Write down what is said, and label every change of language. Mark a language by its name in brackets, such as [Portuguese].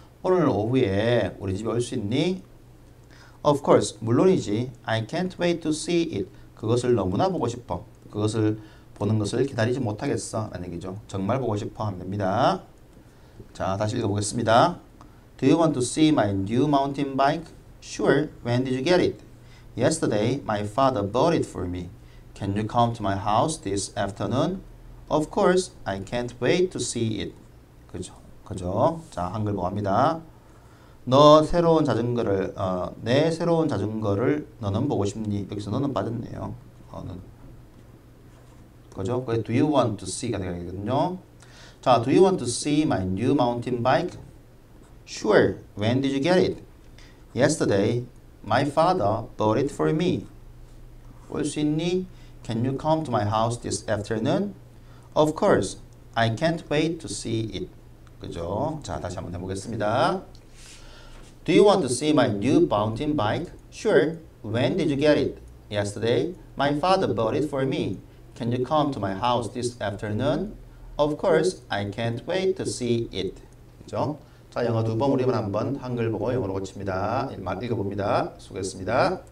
[Korean] 오늘 오후에 우리 집에 올수 있니? [English] Of course, [Korean] 물론이지. [English] I can't wait to see it. [Korean] 그것을 너무나 보고 싶어. 그것을 보는 것을 기다리지 못하겠어. 라는 얘기죠. 정말 보고 싶어 하면 됩니다. 자, 다시 읽어보겠습니다. [English] Do you want to see my new mountain bike? Sure. When did you get it? Yesterday, my father bought it for me. Can you come to my house this afternoon? Of course, I can't wait to see it. [Korean] 그죠? 그죠? 자, 한글 보고 합니다. 너 새로운 자전거를 내 새로운 자전거를 너는 보고 싶니? 여기서 너는 빠졌네요. 그죠? 그게 [English] do you want to see [Korean] 가 되거든요. [English] 자, do you want to see my new mountain bike? Sure. When did you get it? Yesterday, my father bought it for me. [Korean] 올수 있니? [English] Can you come to my house this afternoon? Of course, I can't wait to see it. [Korean] 그죠? 자, 다시 한번 해보겠습니다. [English] Do you want to see my new mountain bike? Sure. When did you get it? Yesterday, my father bought it for me. Can you come to my house this afternoon? Of course, I can't wait to see it. [Korean] 그죠? 자, 영어 두 번, 우리 한번 한글 보고 영어로 고칩니다. 읽어봅니다. 수고했습니다.